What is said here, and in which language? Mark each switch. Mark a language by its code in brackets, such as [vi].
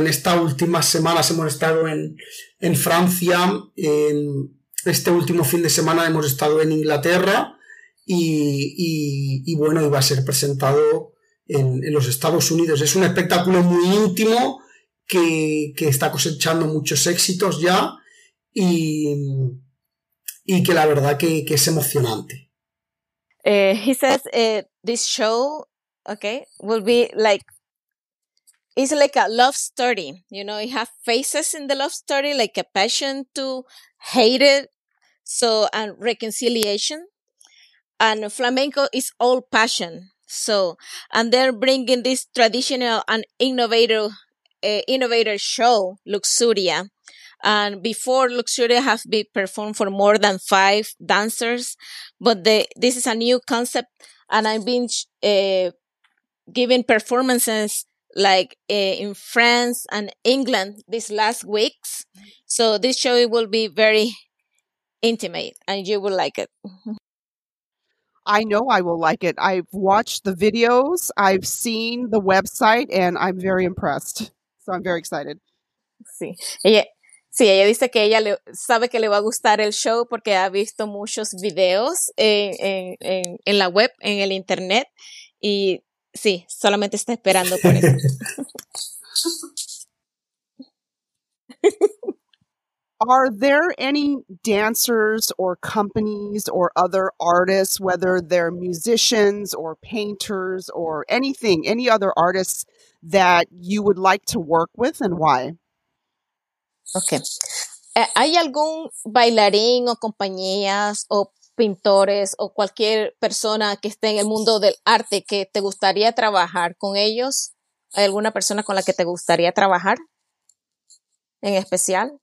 [es] En estas últimas semanas hemos estado en Francia, en este último fin de semana hemos estado en Inglaterra y bueno, iba a ser presentado en los Estados Unidos. Es un espectáculo muy íntimo que está cosechando muchos éxitos ya y que la verdad que es emocionante. [en] He says this show, okay, will be like, it's like a love story. You know, it has faces in the love story, like a passion to hate it, so, and reconciliation. And flamenco is all passion. So, and they're bringing this traditional and innovator show, Luxuria. And before, Luxuria has been performed for more than 5 dancers, but this is a new concept, and I've been giving performances like in France and England these last weeks. So this show, it will be very intimate, and you will like it. I know I will like it. I've watched the videos, I've seen the website, and I'm very impressed. So I'm very excited. [es] Sí. Sí, ella dice que ella sabe que le va a gustar el show porque ha visto muchos videos en la web, en el internet. Y sí, solamente está esperando por eso. [en] Are there any dancers or companies or other artists, whether they're musicians or painters or anything, any other artists that you would like to work with and why? Okay. [es] ¿Hay algún bailarín o compañías o pintores o cualquier persona que esté en el mundo del arte que te gustaría trabajar con ellos? ¿Hay alguna persona con la que te gustaría trabajar? ¿En especial?